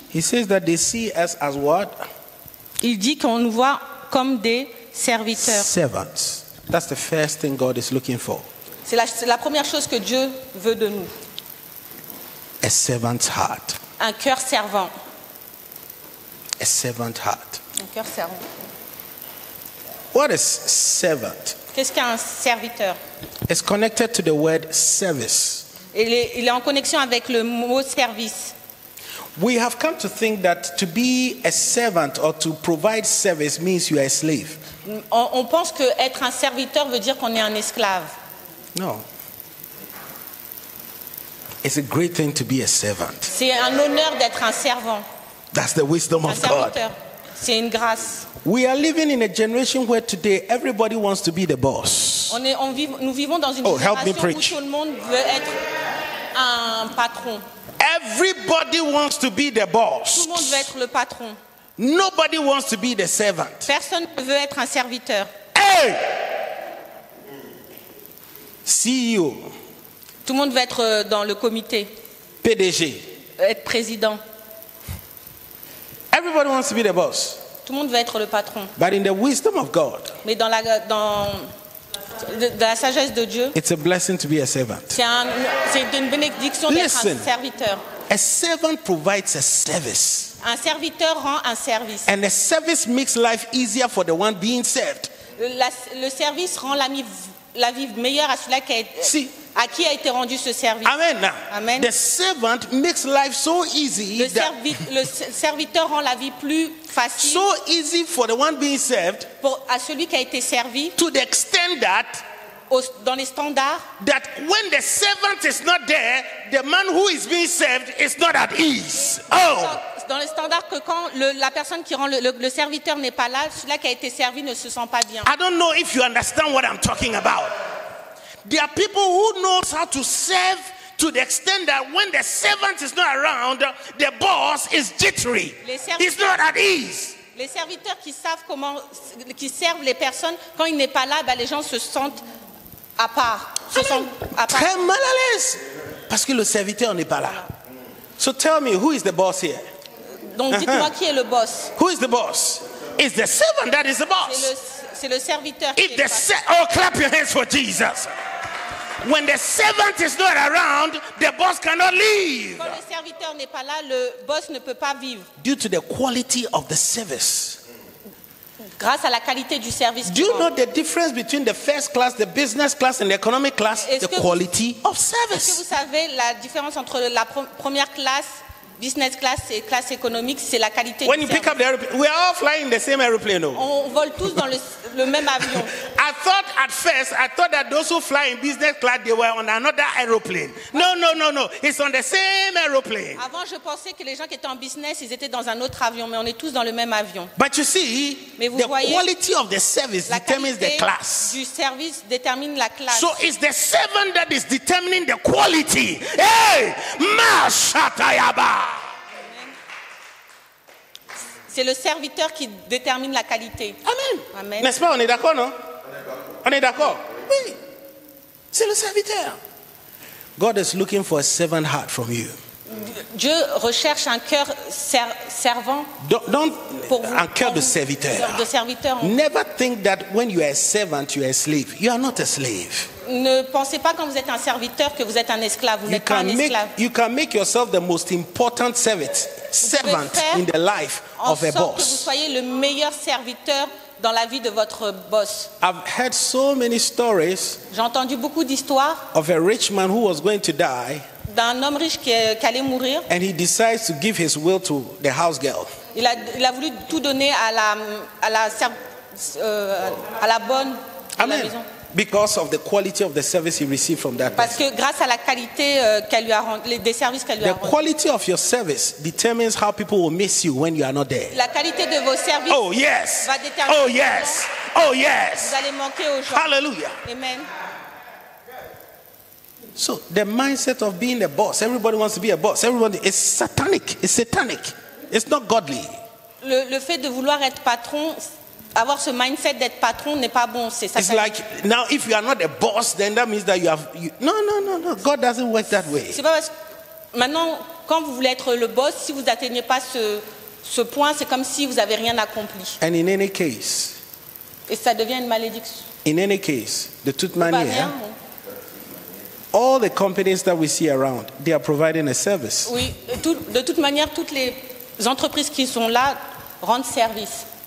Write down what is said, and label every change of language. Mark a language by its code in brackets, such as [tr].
[en] he says that they see us as what? [fr] Il dit qu'on nous voit comme des serviteurs. [en] Servants. That's the first thing God is looking for. [fr] C'est la première chose que Dieu veut de nous. [en] A servant's heart. [fr] Un cœur servant. [en] A servant heart. [fr] Un cœur servant. [en] What is servant? [fr] Qu'est-ce qu'un serviteur? [en] It's connected to the word service. [fr] Il est en connexion avec le mot service. [en] We have come to think that to be a servant or to provide service means you are a slave. [fr] On pense que être un serviteur veut dire qu'on est un esclave. [en] No. It's a great thing to be a servant. [fr] C'est un honneur d'être un servant. [en] That's the wisdom [fr] un [en] of God. [fr] C'est une grâce. [en] We are living in a generation where today everybody wants to be the boss. [fr] Nous vivons dans une génération où tout le monde veut être un patron. [en] Everybody wants to be the boss. [fr] Tout le monde veut être le patron. [en] Nobody wants to be the servant. [fr] Personne ne veut être un serviteur. Hey! [en] CEO. [fr] Tout le monde va être dans le comité. PDG. Être président. [en] Everybody wants to be the boss. [fr] Tout le monde veut être le patron. [en] But in the wisdom of God. [fr] Mais dans la sagesse de Dieu. [en] It's a blessing to be a servant. [fr] C'est une bénédiction d'être un serviteur. [en] A servant provides a service. [fr] Un serviteur rend un service. [en] And a service makes life easier for the one being served. [fr] Le service rend la vie meilleure à celui à qui a été rendu ce service. Amen. Amen. [en] The servant makes life so easy. [fr] Le serviteur rend la vie plus facile. [en] So easy for the one being served. [fr] Pour à celui qui a été servi. [en] To the extent that. [fr] Dans les standards. [en] That when the servant is not there, the man who is being served is not at ease. Oh. [fr] Dans le standard que quand la personne qui rend le serviteur n'est pas là, celui-là qui a été servi ne se sent pas bien. [en] I don't know if you understand what I'm talking about. There are people who knows how to serve to the extent that when the servant is not around, the boss is jittery. He's not at ease. [fr] Les serviteurs qui savent comment qui servent les personnes quand il n'est pas là, les gens se sentent à part. Très mal à l'aise parce que le serviteur n'est pas là. [en] So tell me, who is the boss here? [fr] Donc dites-moi qui est le boss. [en] Who is the boss? It's the servant that is the boss. [fr] C'est le serviteur. [en] If the oh, clap your hands for Jesus. When the servant is not around, the boss cannot live. [fr] Quand le serviteur n'est pas là, le boss ne peut pas vivre. [en] Due to the quality of the service. [fr] Grâce à la qualité du service. [en] Do you know the difference between the first class, the business class, and the economic class? The quality of service. [fr] Est-ce que vous savez la différence entre la première classe? Business class et classe économique, c'est la qualité. [en] When you pick up the aeroplane, we are all flying the same aeroplane, no? [fr] On vole tous dans le même avion. [en] I thought at first, I thought that those who fly in business class, they were on another aeroplane. No. It's on the same aeroplane. [fr] Avant, je pensais que les gens qui étaient en business, ils étaient dans un autre avion, mais on est tous dans le même avion. [en] But you see, the quality of the service determines the class. [fr] La qualité du service détermine la classe. [en] So it's the servant that is determining the quality. Hey, mashatayaba. [fr] C'est le serviteur qui détermine la qualité. Amen. Amen. N'est-ce pas? On est d'accord, non? On est d'accord. Oui. C'est le serviteur. [en] God is looking for a servant heart from you. [fr] Dieu recherche un cœur servant. Don't pour vous, un cœur de serviteur. De serviteur. [en] Never think that when you are a servant, you are a slave. You are not a slave. [fr] Ne pensez pas quand vous êtes un serviteur que vous êtes un esclave. Vous n'êtes pas un esclave. [en] You can make yourself the most important servant in the life of a boss. [fr] En sorte que vous soyez le meilleur serviteur dans la vie de votre boss. [en] I've heard so many stories. [fr] J'ai entendu beaucoup d'histoires. [en] Of a rich man who was going to die. [fr] D'un homme riche qui allait mourir. [en] And he decides to give his will to the house girl. [fr] Il a voulu tout donner à la bonne de la maison. [en] Because of the quality of the service he received from that [fr] person. Parce que grâce à la qualité qu'elle lui a rendu, des services qu'elle lui a rendu. [en] The quality of your service determines how people will miss you when you are not there. [fr] La qualité de vos services. [en] Oh yes. [fr] Va déterminer. [en] Oh yes. Oh yes. [fr] Vous allez manquer aux gens. Hallelujah. Amen. [en] So the mindset of being a boss, everybody wants to be a boss. Everybody is satanic. It's satanic. It's not godly. [fr] Le fait de vouloir être patron. Avoir ce mindset d'être patron n'est pas bon, c'est ça. [en] It's like now if you are not a boss, then that means that No. God doesn't work that way. [fr] C'est pas parce que maintenant, quand vous voulez être le boss, si vous n'atteignez pas ce point, c'est comme si vous n'avez rien accompli. [en] And in any case, [fr] et ça devient une malédiction. [en] In any case, [fr] de toute manière. [en] All the companies that we see around, they are providing a service. [fr] Oui, de toute manière, toutes les entreprises qui sont là rendent service.